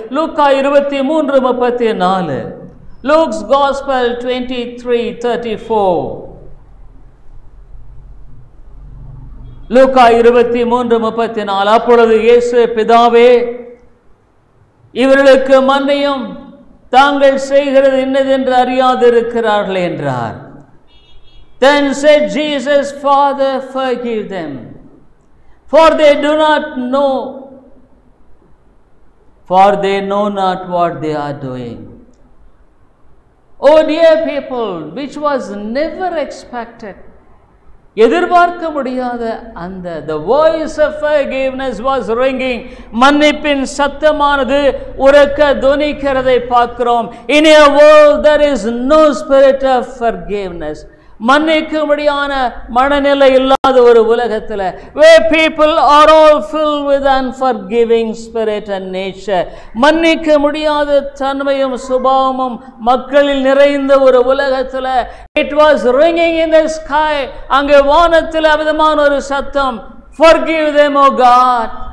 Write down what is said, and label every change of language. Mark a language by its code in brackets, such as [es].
[ta] லூக்கா 23:34, Luke's gospel 23:34, லூக்கா 23:34, அப்பொழுது இயேசு, பிதாவே, இவர்களுக்கு மன்னியும், தாங்கள் செய்கிறது இன்னதென்று அறியாதிருக்கிறார்கள் என்றார். [en] Then said Jesus, Father, forgive them, for they do not know, for they know not what they are doing. Oh dear people, which was never expected, [ta] எதிர்பார்க்க முடியாத அந்த [en] the voice of forgiveness was ringing. [ta] மன்னிப்பின் சத்தமானது உரக்க துணிக்கிறதை பார்க்கிறோம். [en] In a world there is no spirit of forgiveness. [ta] மன்னிக்கும்படியான மனநிலை இல்லாத ஒரு உலகத்தில், [en] where people are all filled with unforgiving spirit and nature, [ta] மன்னிக்க முடியாத தன்மையும் சுபாவமும் மக்களில் நிறைந்த ஒரு உலகத்தில், [en] it was ringing in the sky, [ta] அங்கே வானத்தில் அவிதமான ஒரு சத்தம், [en] forgive them oh God,